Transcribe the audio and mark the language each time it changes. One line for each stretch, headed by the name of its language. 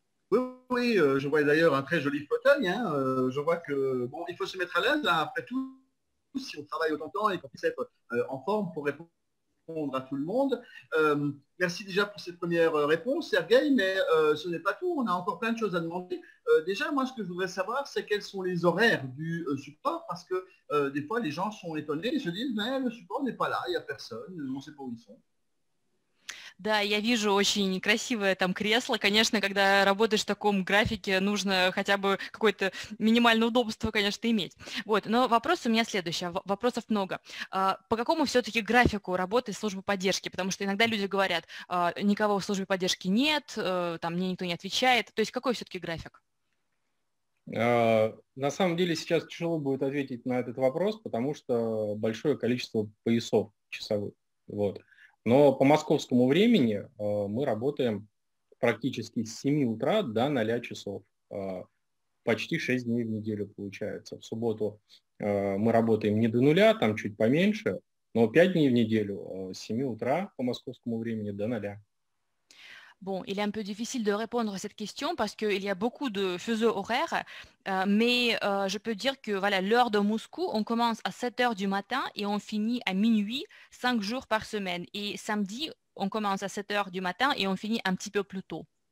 French: Oui, oui, je vois d'ailleurs un très joli fauteuil. Hein. Je vois que bon, il faut se mettre à l'aise, hein, après tout, si on travaille autant de temps et qu'on puisse être en forme pour répondre à tout le monde. Merci déjà pour cette première réponse, Sergueï, mais ce n'est pas tout. On a encore plein de choses à demander. Déjà, moi, ce que je voudrais savoir, c'est quels sont les horaires du support, parce que des fois, les gens sont étonnés et se disent, mais le support n'est pas là, il n'y a personne, on ne sait pas où ils sont.
Russian: Да, я вижу очень красивое там кресло. Конечно, когда работаешь в таком графике, нужно хотя бы какое-то минимальное удобство, конечно, иметь. Вот, но вопрос у меня следующий. Вопросов много. По какому все-таки графику работы службы поддержки? Потому что иногда люди говорят, никого в службе поддержки нет, там мне никто не отвечает. То есть какой все-таки график? На самом деле сейчас тяжело будет ответить на этот вопрос, потому что большое количество поясов часовых. Вот. Но по московскому времени мы работаем практически с 7 утра до 0 часов. Почти 6 дней в неделю получается. В субботу мы работаем не до нуля, там чуть поменьше, но 5 дней в неделю с 7 утра по московскому времени до 0.
French: Bon, il est un peu difficile de répondre à cette question parce qu'il y a beaucoup de fuseaux horaires, mais je peux dire que voilà, l'heure de Moscou, on commence à 7 heures du matin et on finit à minuit, 5 jours par semaine. Et samedi, on commence à 7 heures du matin et on finit un petit peu plus tôt.